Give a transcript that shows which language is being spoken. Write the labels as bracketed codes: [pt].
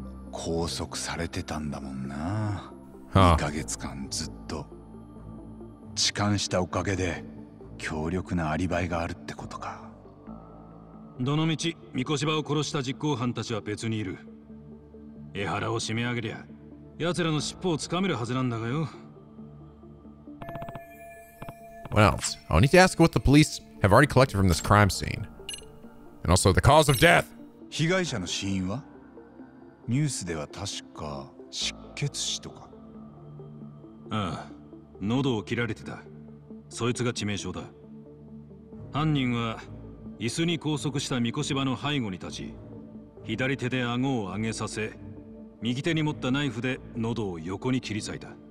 [ja] 拘束されてたんだもんな。2ヶ月間ずっと痴漢したおかげで強力なアリバイがあるってことか。どのみち三越場を殺した実行犯たちは別にいる。江原を締め上げりゃ奴らの尻尾をつかめるはずなんだがよ。 [en] What else? I need to ask what the police have already collected from this crime scene. And also the cause of death. [ja] 被害者の死因は？ニュースでは確か失血死とか。ああ、喉を切られてた。そいつが致命傷だ。犯人は椅子に拘束した三越場の背後に立ち、左手で顎を上げさせ、右手に持ったナイフで喉を横に切り裂いた。